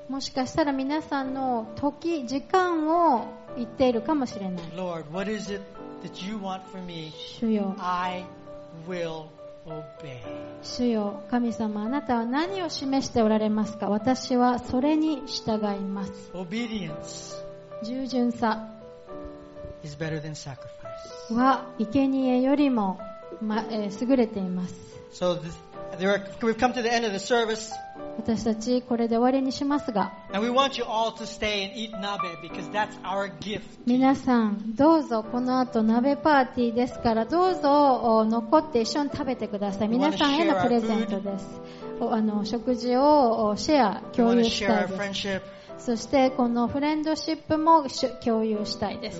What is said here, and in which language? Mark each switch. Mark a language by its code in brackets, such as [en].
[ja] もしかしたら皆さんの時時間を言っているかもしれない。 [en] Lord, what is it that you want for me? [ja] 主よ、 [en] I willobey. [ja] 主よ、神様、あなたは何を示しておられますか。私はそれに従います。 [en] Obedience [ja] 従順さ [en] is better than sacrifice. [ja] は生贄よりも、優れています。 [en] So we've come to the end of the service. [ja] 私たちこれで終わりにしますが、 [en] And we want you all to stay and eat nabe because that's our gift. [ja] 皆さんどうぞこの後鍋パーティーですから、どうぞ残って一緒に食べてください。皆さんへのプレゼントです。食事をシェア共有したいです。そしてこのフレンドシップも共有したいです。